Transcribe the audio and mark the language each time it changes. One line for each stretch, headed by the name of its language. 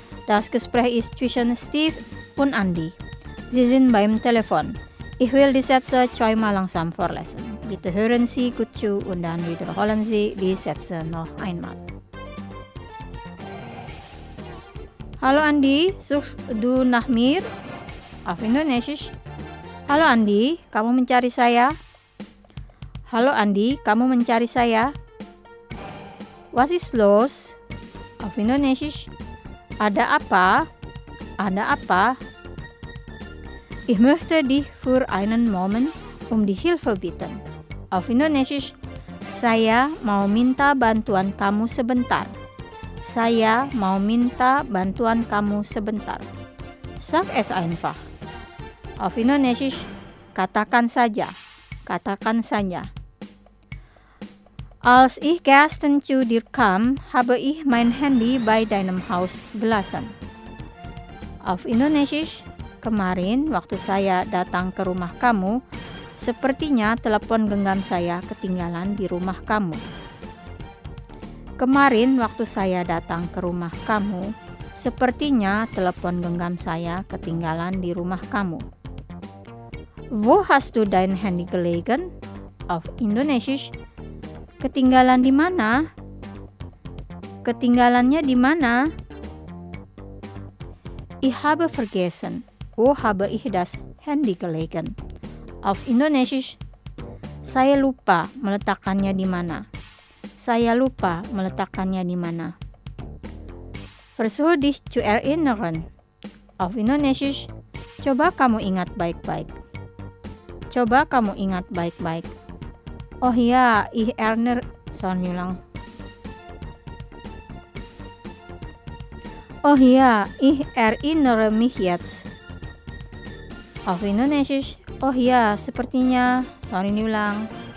German: Das Gespräch ist zwischen Steve und Andy. Sie sind beim Telefon. Ich will die Sätze zweimal langsam vorlesen. Bitte hören Sie gut zu und dann wiederholen Sie die Sätze noch einmal. Hallo Andy, suchst du nach mir? Auf Indonesisch.
Indonesian: Hallo Andy, kamu mencari saya? Hallo Andy, kamu mencari saya?
German: Was ist los? Auf Indonesisch.
Indonesian: Ada apa? Ada apa?
German: Ich möchte dich für einen Moment die Hilfe bitten. Auf Indonesisch.
Indonesian: Saya mau minta bantuan kamu sebentar. Saya mau minta bantuan kamu sebentar.
German: Sag es einfach. Auf Indonesisch.
Indonesian: Katakan saja. Katakan saja.
German: Als ich gestern zu dir kam, habe ich mein Handy bei deinem Haus gelassen. Auf Indonesisch,
Indonesian: kemarin waktu saya datang ke rumah kamu, sepertinya telepon genggam saya ketinggalan di rumah kamu. Kemarin waktu saya datang ke rumah kamu, Sepertinya telepon genggam saya ketinggalan di rumah kamu.
German: Wo hast du dein Handy gelegen? Auf Indonesisch.
Indonesian: Ketinggalan di mana? Ketinggalannya di mana?
German: Ich habe vergessen. Wo habe ich das Handy gelegen? Auf Indonesisch.
Indonesian: Saya lupa meletakkannya di mana. Saya lupa meletakkannya di mana.
German: Versuch dich zu erinnern. Auf Indonesisch.
Indonesian: Coba kamu ingat baik-baik. Coba kamu ingat baik-baik.
German: Oh ya, ich erinnere schon lang. Oh ya, ich erinnere mich jetzt. Auf Indonesisch.
Indonesian: Oh ya, sepertinya sorry diulang.